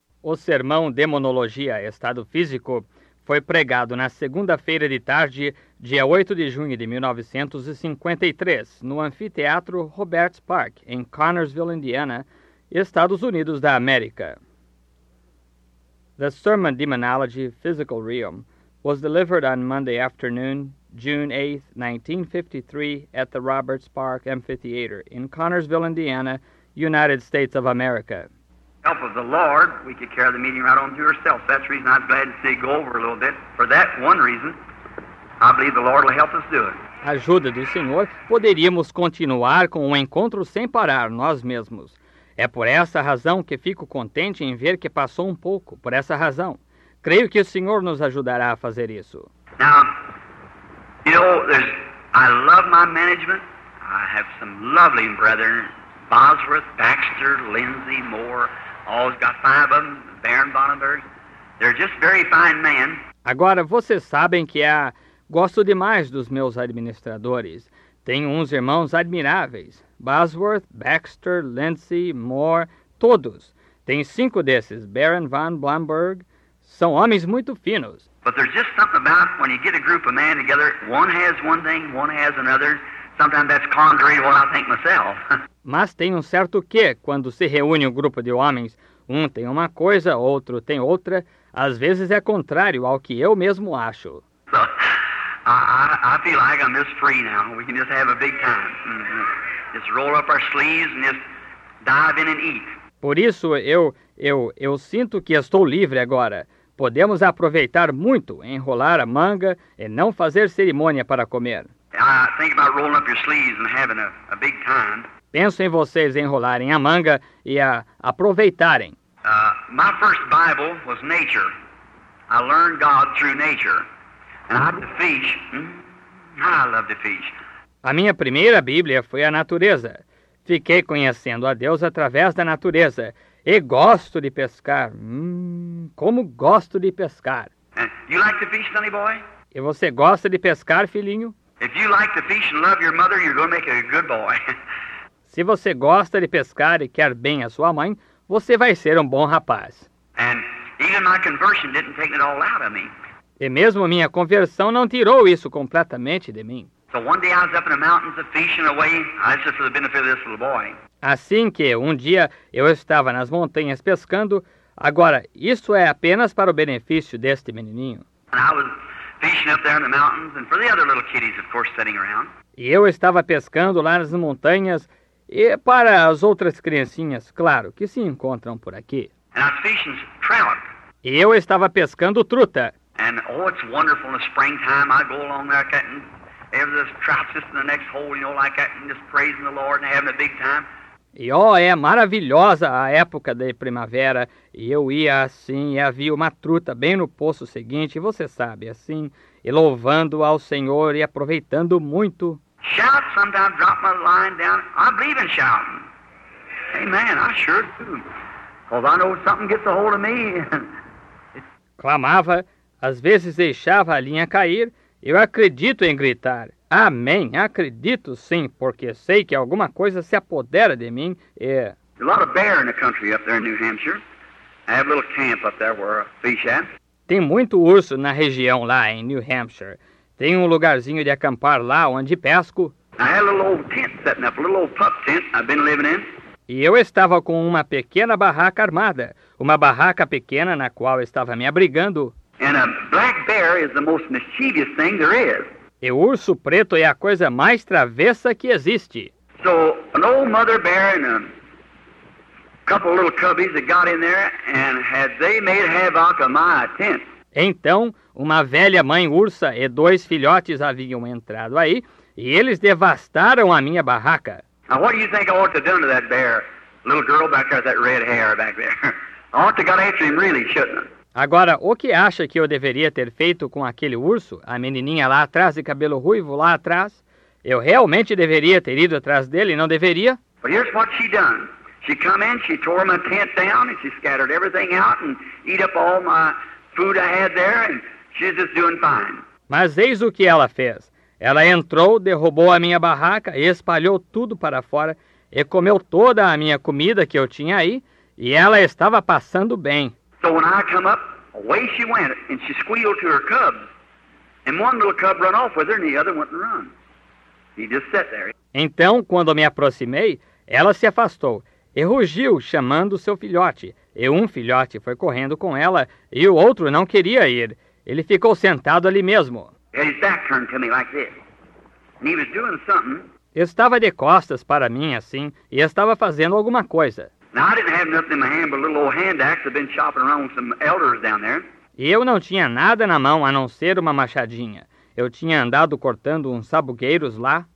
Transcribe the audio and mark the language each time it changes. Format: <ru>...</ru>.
<pt>O sermão Demonologia, Estado Físico, foi pregado na segunda-feira de tarde, dia 8 de junho de 1953, no anfiteatro Roberts Park, em Connersville, Indiana, Estados Unidos da América.</pt> <en>The Sermon Demonology, Physical Realm, was delivered on Monday afternoon, June 8, 1953, at the Roberts Park Amphitheater in Connersville, Indiana, United States of America. Help of the Lord, we could carry the meeting right on to ourselves. That's the reason I'm glad to see go over a little bit. For that one reason, I believe the Lord will help us do it.</en> <pt>Ajuda do Senhor, poderíamos continuar com o encontro sem parar nós mesmos. É por essa razão que fico contente em ver que passou um pouco, por essa razão. Creio que o Senhor nos ajudará a fazer isso.</pt> <en>Now, I love my management. I have some lovely brethren, Bosworth, Baxter, Lindsay, Moore. Always got five of them, Baron Bonnenberg. They're just very fine men.</en> <pt>Agora, vocês sabem que gosto demais dos meus administradores. Tenho uns irmãos admiráveis: Bosworth, Baxter, Lindsay, Moore, todos. Tenho cinco desses, Baron von Blomberg. São homens muito finos.</pt> <en>But there's just something about when you get a group of men together, one has one thing, one has another. Sometimes that's contrary to what I think myself.</en> <pt>Mas tem um certo quê quando se reúne um grupo de homens. Um tem uma coisa, outro tem outra. Às vezes é contrário ao que eu mesmo acho.</pt> <en>I feel like I'm just free now. We can just have a big time. Just roll up our sleeves and just dive in and eat.</en> <pt>Por isso eu sinto que estou livre agora. Podemos aproveitar muito, enrolar a manga e não fazer cerimônia para comer.</pt> <en>I think about rolling up your sleeves and having a big time.</en> <pt>Penso em vocês enrolarem a manga e a aproveitarem.</pt> <en>My first Bible was nature. I learned God through nature. And I love to fish. I love to fish.</en> <pt>A minha primeira Bíblia foi a natureza. Fiquei conhecendo a Deus através da natureza. E gosto de pescar. Como gosto de pescar.</pt> <en>You like to fish, sonny boy?</en> <pt>E você gosta de pescar, filhinho?</pt> <en>If you like to fish and love your mother, you're going to make a good boy.</en> <pt>Se você gosta de pescar e quer bem a sua mãe, você vai ser um bom rapaz.</pt> <en>And even my conversion didn't take it all out of me.</en> <pt>E mesmo minha conversão não tirou isso completamente de mim.</pt> <en>So one day I was up in the mountains fishing away, just for the benefit of this little boy.</en> <pt>Assim que um dia eu estava nas montanhas pescando, agora isso é apenas para o benefício deste menininho.</pt> <en>And I was fishing up there in the mountains and for the other little kiddies, of course, sitting around.</en> <pt>E eu estava pescando lá nas montanhas. E para as outras criancinhas, claro, que se encontram por aqui.</pt> <en>And I was fishing trout.</en> <pt>E eu estava pescando truta.</pt> <en>And oh, it's wonderful in the springtime. I go along like that and have the trout just in the next hole, you know, like that, and just praising the Lord and having a big time.</en> <pt>E oh, é maravilhosa a época de primavera. E eu ia assim e havia uma truta bem no poço seguinte, você sabe, assim, e louvando ao Senhor e aproveitando muito.</pt> <en>Shout sometimes, drop my line down. I believe in shouting. Hey man, I sure do. Because I know something gets a hold of me.</en> <pt>Clamava, às vezes deixava a linha cair. Eu acredito em gritar. Amém, acredito sim, porque sei que alguma coisa se apodera de mim e...</pt> <en>A lot of bear in the country up there in New Hampshire. I have a little camp up there where I fish at.</en> <pt>Tem muito urso na região lá em New Hampshire. Tem um lugarzinho de acampar lá onde pesco.</pt> <en>I had a little old tent setting up, a little old pup tent I've been living in.</en> <pt>E eu estava com uma pequena barraca armada, uma barraca pequena na qual estava me abrigando.</pt> <en>And a black bear is the most mischievous thing there is.</en> <pt>E o urso preto é a coisa mais travessa que existe.</pt> <en>So an old mother bear and a couple little cubbies that got in there and had they made havoc of my tent.</en> <pt>Então, uma velha mãe ursa e dois filhotes haviam entrado aí e eles devastaram a minha barraca.</pt> <en>Now, what do you think I ought to do to that bear, little girl back there, that red hair back there? I ought to got after him really, shouldn't I?</en> <pt>Agora, o que acha que eu deveria ter feito com aquele urso, a menininha lá atrás de cabelo ruivo lá atrás? Eu realmente deveria ter ido atrás dele, não deveria?</pt> <en>But here's what she done. She come in, she tore my tent down and she scattered everything out and eat up all my food I had there and she's just doing fine.</en> <pt>Mas eis o que ela fez. Ela entrou, derrubou a minha barraca e espalhou tudo para fora e comeu toda a minha comida que eu tinha aí e ela estava passando bem.</pt> <en>So when I come up, away she went, and she squealed to her cubs. And one little cub run off with her, and the other went and run. He just sat there.</en> <pt>Então, quando me aproximei, ela se afastou e rugiu, chamando seu filhote. E um filhote foi correndo com ela, e o outro não queria ir. Ele ficou sentado ali mesmo.</pt> <en>His back turned to me like this. And he was doing something.</en> <pt>Estava de costas para mim, assim, e estava fazendo alguma coisa.</pt> <en>Now, I didn't have nothing in my hand but a little old hand axe I've been chopping around with some elders down there.</en> <pt>E eu não tinha nada na mão, a não ser uma machadinha. Eu tinha andado cortando uns sabugueiros lá.</pt>